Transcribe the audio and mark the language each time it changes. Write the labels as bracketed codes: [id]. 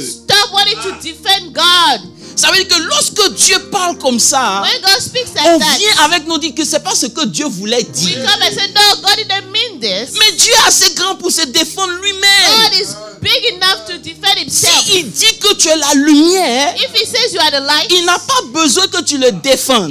[en] Stop wanting to defend God. [fr] Ça veut dire que lorsque Dieu parle comme ça, [en] when God speaks like [fr] on [en] that, [fr] vient avec nous dire que ce n'est pas ce que Dieu voulait dire. [en] We come and say, no, God didn't mean this. [fr] Mais Dieu est assez grand pour se défendre lui-même. [en] God is big enough to defend himself. [fr] Si il dit que tu es la lumière, [en] if he says you are the light, [fr] il n'a pas besoin que tu le défendes.